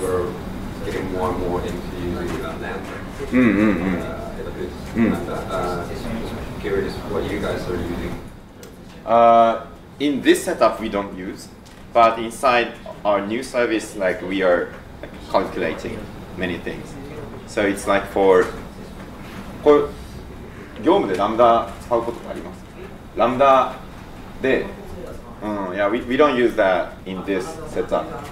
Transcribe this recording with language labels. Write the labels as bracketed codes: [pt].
[en] We're getting more and more into using Lambda. Curious what you guys are using. In this setup, we don't use, but inside our new service, like we are calculating many things. So it's like for. [ja] これ業務でラムダ使うことがあります。 [en] ラムダで、yeah, we don't use that in this setup.